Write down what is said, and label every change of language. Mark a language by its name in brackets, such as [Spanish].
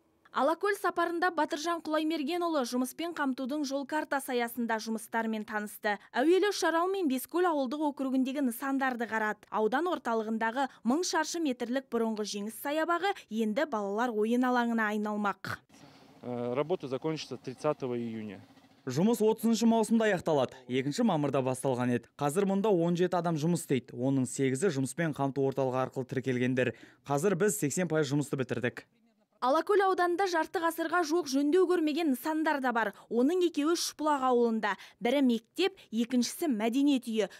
[Kazakh] Алакөл сапарында Батыржан Құлаймергенұлы жұмыспен қамтудың жол картасы аясында жұмыстармен танысты. Әуелі Шарал мен Бескөл ауылдық округіндегі нысандарды қарады. Аудан орталығындағы 1000 шаршы метрлік бұрынғы жеңіс саябағы енді балалар ойын алаңына айналмақ. [Russian] Работа закончится 30 июня. [Kazakh] Жұмыс 30-шы маусымда аяқталады. 2-ші мамырда басталған еді. Қазір мұнда 17 адам жұмыс істейді. Оның 8-і жұмыспен қамту орталығы арқылы тіркелгендер. Қазір біз 80% жұмысты бітірдік. Алакөл ауданында жарты ғасырға жуық жөндеу көрмеген нысандар да бар. Оның екеуі Шұбұлақ ауылында. Бірі мектеп, екіншісі мәдениет үйі.